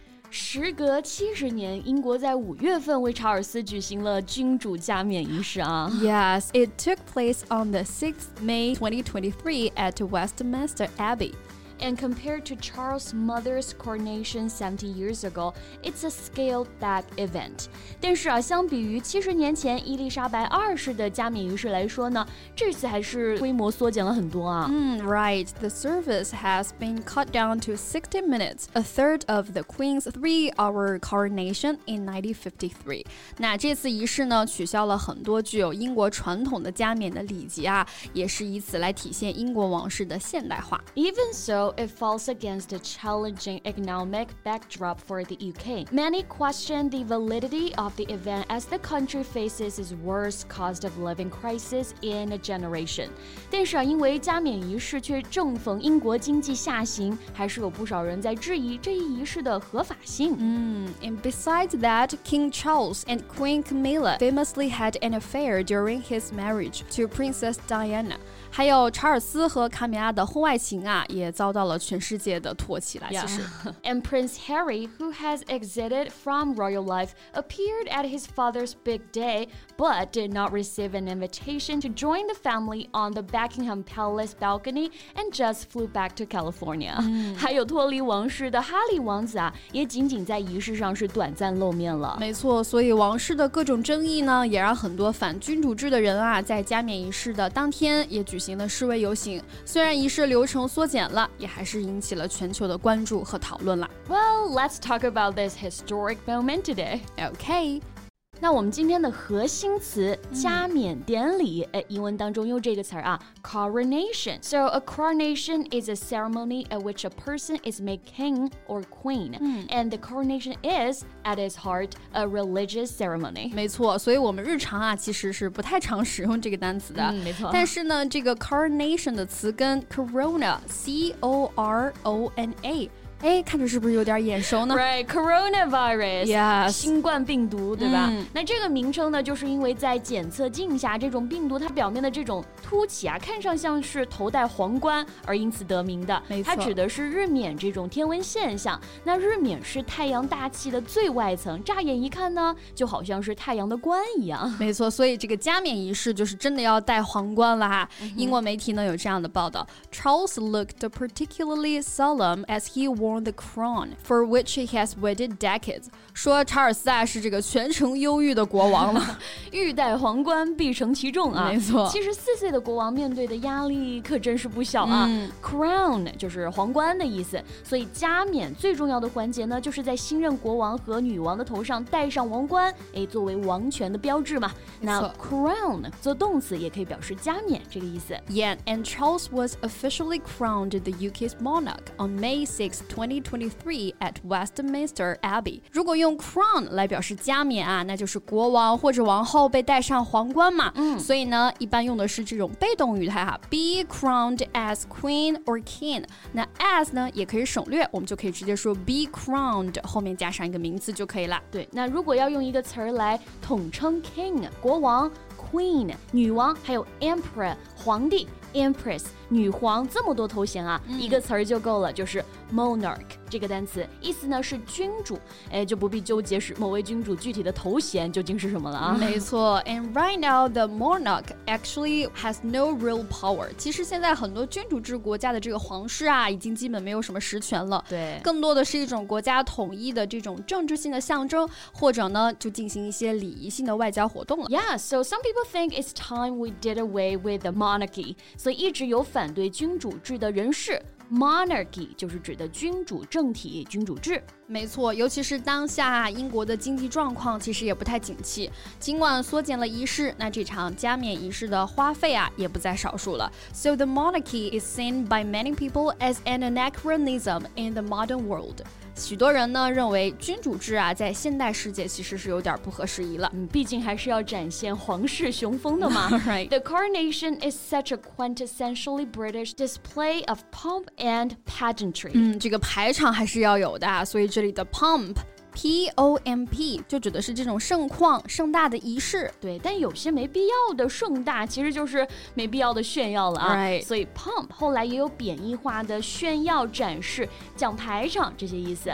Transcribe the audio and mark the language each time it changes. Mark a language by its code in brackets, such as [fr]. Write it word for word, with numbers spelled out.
[zh] 时隔七十年，英国在五月份为查尔斯举行了君主加冕仪式啊。 [en] Yes, it took place on the sixth of May twenty twenty-three at Westminster Abbey. And compared to Charles' mother's coronation seventy years ago, it's a scaled-back event. [zh] 但是啊，相比于七十年前伊丽莎白二世的加冕仪式来说呢，这次还是规模缩减了很多啊。 [en] Mm, right. The service has been cut down to sixty minutes, a third of the Queen's three-hour coronation in nineteen fifty-three. [zh] 那这次仪式呢，取消了很多具有英国传统的加冕的礼节啊，也是以此来体现英国王室的现代化。 [en] Even so. It falls against a challenging economic backdrop for the U K. Many question the validity of the event as the country faces its worst cost of living crisis in a generation. [zh] 但是啊，因为加冕仪式却正逢英国经济下行，还是有不少人在质疑这一仪式的合法性。 [en] Mm, and besides that, King Charles and Queen Camilla famously had an affair during his marriage to Princess Diana. [zh] 还有查尔斯和卡米拉的婚外情啊，也遭到。 [en] Yeah. And Prince Harry, who has exited from royal life, appeared at his father's big day, but did not receive an invitation to join the family on the Buckingham Palace balcony and just flew back to California. [zh] 还有脱离王室的哈利王子啊，也仅仅在仪式上是短暂露面了。没错，所以王室的各种争议呢，也让很多反君主制的人啊，在加冕仪式的当天也举行了示威游行。虽然仪式流程缩减了，也还是引起了全球的关注和讨论了。 [en] Well, let's talk about this historic moment today. Okay. [zh] 那我们今天的核心词加冕典礼，哎，英文当中用这个词啊 ，coronation. [en] So a coronation is a ceremony at which a person is made king or queen, and the coronation is at its heart a religious ceremony. [zh] 没错，所以我们日常啊其实是不太常使用这个单词的。嗯，没错。但是呢，这个 coronation 的词根 corona, c o r o n a。哎，看着是不是有点眼熟呢 [en] ？Right, coronavirus, yes. [zh] 新冠病毒，对吧？嗯、那这个名称呢，就是因为在检测镜下，这种病毒它表面的这种凸起啊，看上像是头戴皇冠，而因此得名的。没错，它指的是日冕这种天文现象。那日冕是太阳大气的最外层，乍眼一看呢，就好像是太阳的冠一样。没错，所以这个加冕仪式就是真的要戴皇冠了哈。嗯、英国媒体呢有这样的报道 [en] ：Charles looked particularly solemn as he wore the crown for which he has waited decades. [zh] 说查尔斯啊是这个全程忧郁的国王了，欲戴皇冠必承其重啊。没错，七十四岁的国王面对的压力可真是不小啊。嗯、Crown 就是皇冠的意思，所以加冕最重要的环节呢，就是在新任国王和女王的头上戴上王冠，哎，作为王权的标志嘛。那 crown 做动词也可以表示加冕这个意思。 [en] Yeah, and Charles was officially crowned the U K's monarch on May sixth, twenty twenty-three at Westminster Abbey. [zh] 如果用 crown 来表示加冕啊，那就是国王或者王后被戴上皇冠嘛。嗯、所以呢，一般用的是这种被动语态哈 ， [en] be crowned as queen or king. [zh] 那 as 呢也可以省略，我们就可以直接说 be crowned 后面加上一个名词就可以了。对，那如果要用一个词儿来统称 king 国王、queen 女王，还有 emperor 皇帝。 Empress 女皇这么多头衔啊，嗯、一个词儿就够了，就是 monarch 这个单词，意思呢是君主，哎，就不必纠结是某位君主具体的头衔究竟是什么了啊。没错 [en] ，and right now the monarch actually has no real power。 [zh] 其实现在很多君主制国家的这个皇室啊，已经基本没有什么实权了，对，更多的是一种国家统一的这种政治性的象征，或者呢就进行一些礼仪性的外交活动了。 [en] Yeah, so some people think it's time we did away with the monarchy. [zh] 所以一直有反对君主制的人士 monarchy 就是指的君主政体君主制没错尤其是当下英国的经济状况其实也不太景气尽管缩减了仪式那这场加冕仪式的花费啊也不在少数了 [en] So the monarchy is seen by many people as an anachronism in the modern world [zh] 许多人呢认为君主制啊在现代世界其实是有点不合时宜了、嗯、毕竟还是要展现皇室雄风的嘛 [en] right. The coronation is such a quintessentially British display of pomp and pageantry、 [zh] 嗯、这个排场还是要有的、啊、所以这里的 pomp P O M P 就指的是这种盛况盛大的仪式，对，但有些没必要的盛大其实就是没必要的炫耀了啊。 [en] Right. [zh] 所以 pomp 后来也有贬义化的炫耀、展示、讲排场这些意思、